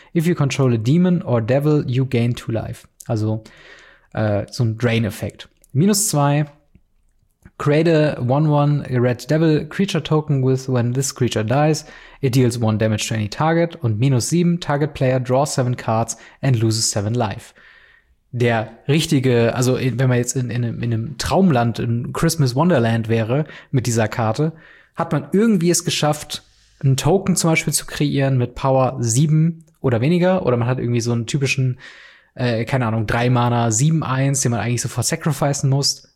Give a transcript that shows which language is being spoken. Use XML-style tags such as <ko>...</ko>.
<en>If you control a demon or devil, you gain 2 life.</en> <de>Also so ein Drain-Effekt.</de> <en>Minus 2, create a 1-1 red devil creature token with when this creature dies. It deals 1 damage to any target.</en> <de>Und minus 7,</de> <en>target player draws 7 cards and loses 7 life.</en> <de>Der richtige, also wenn man jetzt in einem Traumland, in Christmas Wonderland wäre mit dieser Karte, hat man irgendwie es geschafft, einen Token zum Beispiel zu kreieren mit Power 7 oder weniger. Oder man hat irgendwie so einen typischen, keine Ahnung, 3-Mana 7-1, den man eigentlich sofort sacrificen muss.</de>